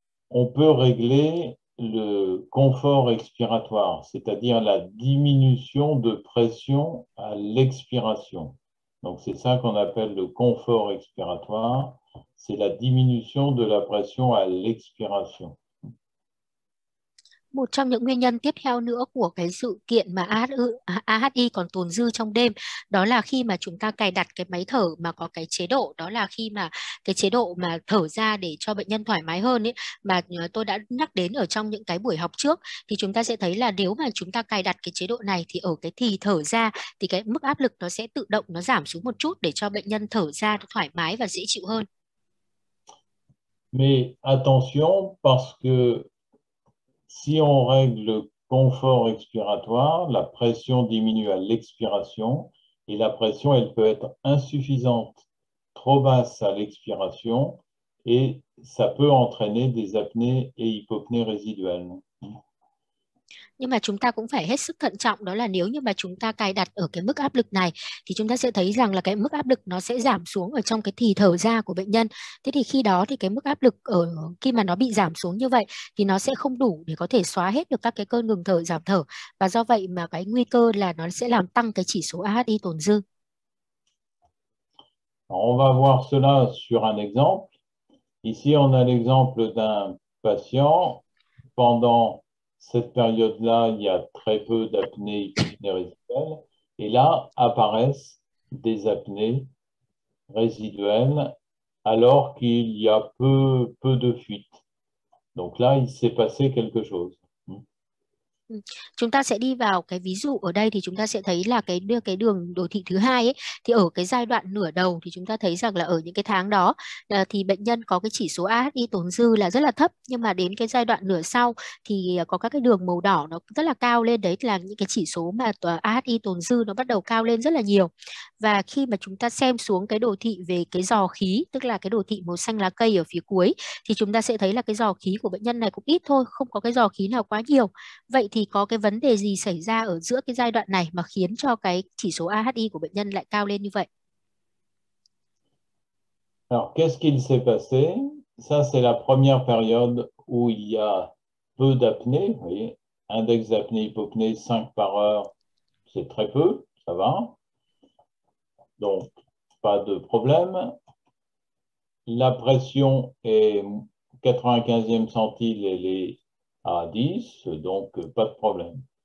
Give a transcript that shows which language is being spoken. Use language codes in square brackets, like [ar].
[fr] On peut régler le confort expiratoire, c'est-à-dire la diminution de pression à l'expiration. Donc c'est ça qu'on appelle le confort expiratoire, c'est la diminution de la pression à l'expiration. [vi] Một trong những nguyên nhân tiếp theo nữa của cái sự kiện mà AHI còn tồn dư trong đêm, đó là khi mà chúng ta cài đặt cái máy thở mà có cái chế độ, đó là khi mà cái chế độ mà thở ra để cho bệnh nhân thoải mái hơn ấy, mà tôi đã nhắc đến ở trong những cái buổi học trước, thì chúng ta sẽ thấy là nếu mà chúng ta cài đặt cái chế độ này thì ở cái thì thở ra thì cái mức áp lực nó sẽ tự động nó giảm xuống một chút để cho bệnh nhân thở ra thoải mái và dễ chịu hơn. [fr] Mais attention, parce que si on règle le confort expiratoire, la pression diminue à l'expiration et la pression, elle peut être insuffisante, trop basse à l'expiration et ça peut entraîner des apnées et hypopnées résiduelles. [vi] Nhưng mà chúng ta cũng phải hết sức thận trọng, đó là nếu như mà chúng ta cài đặt ở cái mức áp lực này thì chúng ta sẽ thấy rằng là cái mức áp lực nó sẽ giảm xuống ở trong cái thì thở ra của bệnh nhân. Thế thì khi đó thì cái mức áp lực ở khi mà nó bị giảm xuống như vậy thì nó sẽ không đủ để có thể xóa hết được các cái cơn ngừng thở, giảm thở, và do vậy mà cái nguy cơ là nó sẽ làm tăng cái chỉ số AHI tồn dư. [fr] On va voir cela sur un exemple. Ici, on a l'exemple d'un patient. Pendant cette période-là, il y a très peu d'apnées hypopnées résiduelles. Et là, apparaissent des apnées résiduelles alors qu'il y a peu de fuites. Donc là, il s'est passé quelque chose. [vi] Chúng ta sẽ đi vào cái ví dụ ở đây thì chúng ta sẽ thấy là cái đường đồ thị thứ hai ấy, thì ở cái giai đoạn nửa đầu thì chúng ta thấy rằng là ở những cái tháng đó thì bệnh nhân có cái chỉ số AHI tồn dư là rất là thấp, nhưng mà đến cái giai đoạn nửa sau thì có các cái đường màu đỏ nó rất là cao lên, đấy là những cái chỉ số mà AHI tồn dư nó bắt đầu cao lên rất là nhiều. Và khi mà chúng ta xem xuống cái đồ thị về cái giò khí, tức là cái đồ thị màu xanh lá cây ở phía cuối, thì chúng ta sẽ thấy là cái giò khí của bệnh nhân này cũng ít thôi, không có cái giò khí nào quá nhiều. Vậy thì có cái vấn đề gì xảy ra ở giữa cái giai đoạn này mà khiến cho cái chỉ số AHI của bệnh nhân lại cao lên như vậy? [fr] Alors, qu'est-ce qu'il s'est passé? Ça, c'est la première période où il y a peu d'apnée. Vous voyez, index d'apnée hypopnée 5 par heure, c'est très peu, ça va. Donc, pas de problème. La pression est 95e centile, elle est à 10, donc pas de problème.